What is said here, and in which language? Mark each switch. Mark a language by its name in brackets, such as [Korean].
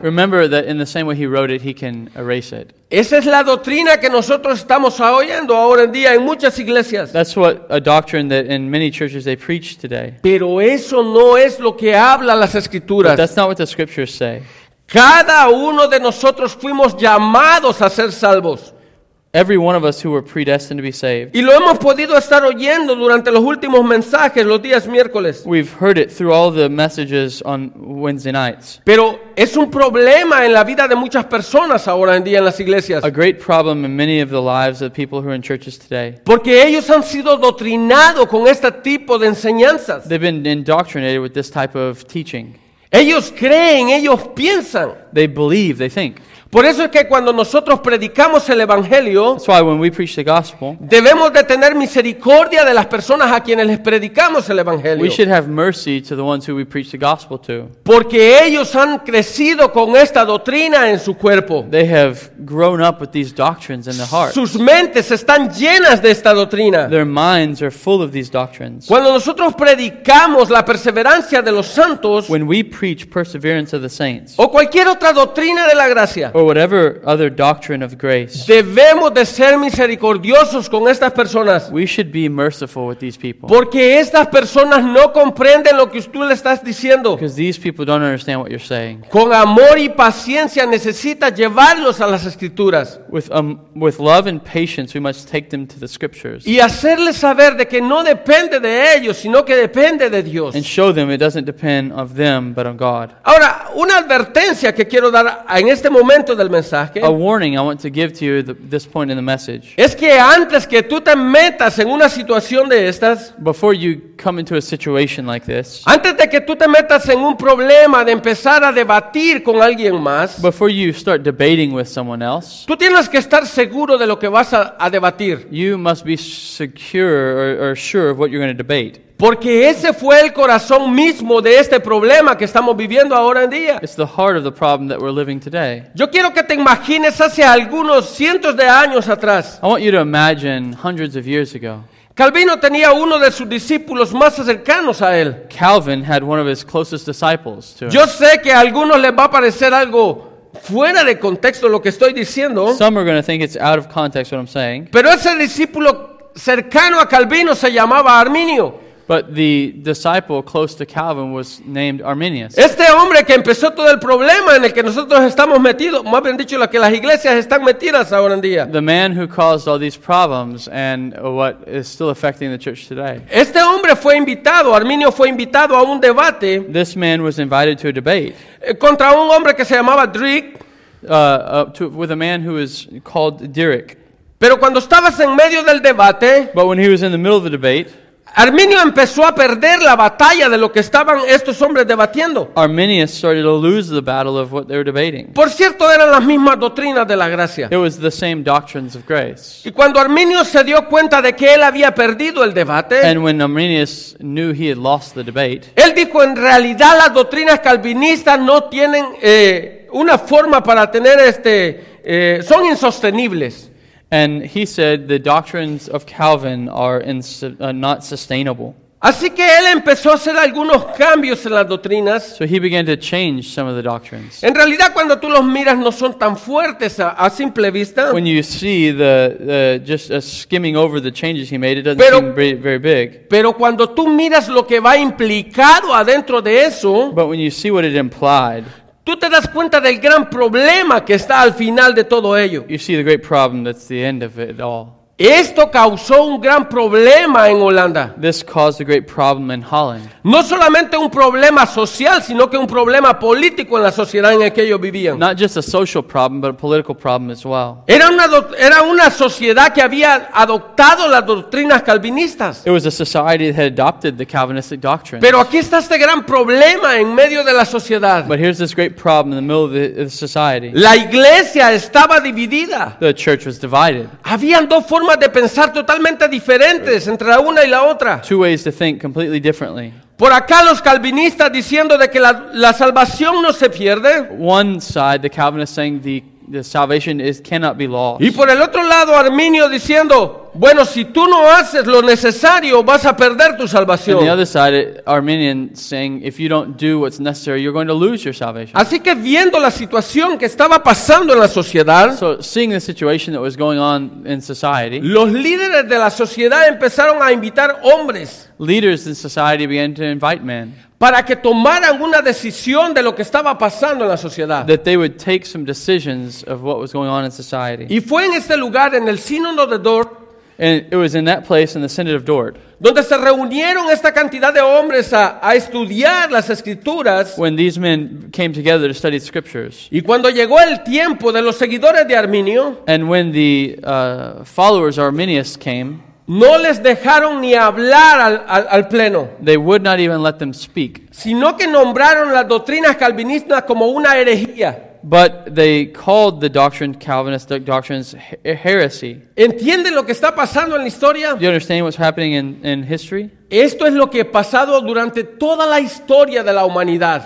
[English] Remember that in the same way He wrote it, He can erase it. [Spanish] Esa es la doctrina que nosotros estamos oyendo ahora en día en muchas iglesias. [English] That's what a doctrine that in many churches they preach today. [Spanish] Pero eso no es lo que habla las Escrituras. [English] But that's not what the Scriptures say. [Spanish] Cada uno de nosotros fuimos llamados a ser salvos. [English] Every one of us who were predestined to be saved. [Spanish] Y lo hemos podido estar oyendo durante los últimos mensajes los días miércoles. [English] We've heard it through all the messages on Wednesday nights. [Spanish] Pero es un problema en la vida de muchas personas ahora en día en las iglesias. [English] A great problem in many of the lives of people who are in churches today. [Spanish] Porque ellos han sido doctrinados con este tipo de enseñanzas. [English] They've been indoctrinated with this type of teaching. [Spanish] Ellos creen, ellos piensan. [English] They believe, they think. [Spanish] Por eso es que cuando nosotros predicamos el Evangelio, [English] that's why when we preach the gospel, [Spanish] debemos de tener misericordia de las personas a quienes les predicamos el Evangelio. [English] We should have mercy to the ones who we preach the gospel to. [Spanish] Porque ellos han crecido con esta doctrina en su cuerpo. [English] They have grown up with these doctrines in their hearts. [Spanish] Sus mentes están llenas de esta doctrina. [English] Their minds are full of these doctrines. [Spanish] Cuando nosotros predicamos la perseverancia de los santos, [English] when we preach perseverance of the saints, [Spanish] o cualquier otra doctrina de la gracia, [English] or whatever other doctrine of grace, [Spanish] debemos de ser misericordiosos con estas personas. [English] We should be merciful with these people. [Spanish] Porque estas personas no comprenden lo que tú le estás diciendo. [English] Because these people don't understand what you're saying. [Spanish] Con amor y paciencia necesitas llevarlos a las Escrituras. [English] With love and patience, we must take them to the Scriptures. [Spanish] Y hacerles saber de que no depende de ellos, sino que depende de Dios. [English] And show them it doesn't depend of them, but on God. [Spanish] Ahora, una advertencia que quiero dar en este momento. [English] A warning I want to give to you at this point in the message. [Spanish] Es que antes que tú te metas en una situación de estas, [English] before you come into a situation like this, [Spanish] antes de que tú te metas en un problema de empezar a debatir con alguien más, [English] before you start debating with someone else, [Spanish] tú tienes que estar seguro de lo que vas a debatir. [English] You must be secure or sure of what you're going to debate. [Spanish] Porque ese fue el corazón mismo de este problema que estamos viviendo ahora en día. [English] It's the heart of the problem that we're living today. [Spanish] Yo quiero que te imagines hace algunos cientos de años atrás. [English] I want you to imagine hundreds of years ago. [Spanish] Calvino tenía uno de sus discípulos más cercanos a él. [English] Calvin had one of his closest disciples to him. [Spanish] Yo sé que a algunos les va a parecer algo fuera de contexto lo que estoy diciendo. [English] Some are going to think it's out of context what I'm saying. [Spanish] Pero ese discípulo cercano a Calvino se llamaba Arminio. [English] But the disciple close to Calvin was named Arminius. [Spanish] Este hombre que empezó todo el problema en el que nosotros estamos metidos, más bien dicho, lo que las iglesias están metidas ahora en día. [English] The man who caused all these problems and what is still affecting the church today. [Spanish] Este hombre fue invitado, Arminio fue invitado a un debate. [English] This man was invited to a debate. [Spanish] Contra un hombre que se llamaba Dirk. [English] With a man who is called Dirk. [Spanish] Pero cuando estabas en medio del debate, [English] but when he was in the middle of the debate, [Spanish] Arminio empezó a perder la batalla de lo que estaban estos hombres debatiendo. [English] Arminius started to lose the battle of what they were debating. [Spanish] Por cierto, eran las mismas doctrinas de la gracia. [English] It was the same doctrines of grace. [Spanish] Y cuando Arminio se dio cuenta de que él había perdido el debate, [English] and when Arminius knew he had lost the debate, [Spanish] él dijo, en realidad las doctrinas calvinistas no tienen una forma para tener son insostenibles. [English] And he said the doctrines of Calvin are not sustainable. [Spanish] Así que él empezó a hacer algunos cambios en las doctrinas. [English] So he began to change some of the doctrines. [Spanish] En realidad, cuando tú los miras, no son tan fuertes a simple vista. [English] When you see skimming over the changes he made, it doesn't seem very big. [Spanish] Pero cuando tú miras lo que va implicado adentro de eso, [English] but when you see what it implied, [Spanish] Tú te das cuenta del gran problema que está al final de todo ello. [English] You see the great problem that's the end of it all. [Spanish] Esto causó un gran problema en Holanda. [English] This caused a great problem in Holland. [Spanish] No solamente un problema social, sino que un problema político en la sociedad en la que ellos vivían. [English] Not just a social problem, but a political problem as well. [Spanish] Era una sociedad que había adoptado las doctrinas calvinistas. [English] It was a society that had adopted the Calvinistic doctrine. [Spanish] Pero aquí está este gran problema en medio de la sociedad. [English] But here's this great problem in the middle of the society. [Spanish] La iglesia estaba dividida. [English] The church was divided. [Spanish] Habían dos formas de pensar totalmente diferentes entre la una y la otra. [English] Two ways to think completely differently. [Spanish] Por acá los calvinistas diciendo de que la salvación no se pierde. [English] One side, the Calvinists saying the salvation is cannot be lost. [Spanish] Y por el otro lado Arminio diciendo, bueno, si tú no haces lo necesario, vas a perder tu salvación. [English] On the other side, Arminian saying, if you don't do what's necessary, you're going to lose your salvation. [Spanish] Así que viendo la situación que estaba pasando en la sociedad, [English] so seeing the situation that was going on in society, [Spanish] los líderes de la sociedad empezaron a invitar hombres. [English] Leaders in society began to invite men. [Spanish] Para que tomaran una decisión de lo que estaba pasando en la sociedad. [English] That they would take some decisions of what was going on in society. [Spanish] Y fue en este lugar, en el Sínodo de Dort. [English] And it was in that place in the Synod of Dort. [Spanish] Donde se reunieron esta cantidad de hombres a estudiar las escrituras. [English] When these men came together to study scriptures. [Spanish] Y cuando llegó el tiempo de los seguidores de Arminio. [English] And when the followers of Arminius came. [Spanish] No les dejaron ni hablar al pleno. [English] They would not even let them speak. [Spanish] Sino que nombraron las doctrinas calvinistas como una herejía. [English] But they called the doctrine, Calvinist doctrines, heresy. [Spanish] ¿Entiende lo que está pasando en la historia? [English] Do you understand what's happening in history? [Spanish] Esto es lo que ha pasado durante toda la historia de la humanidad.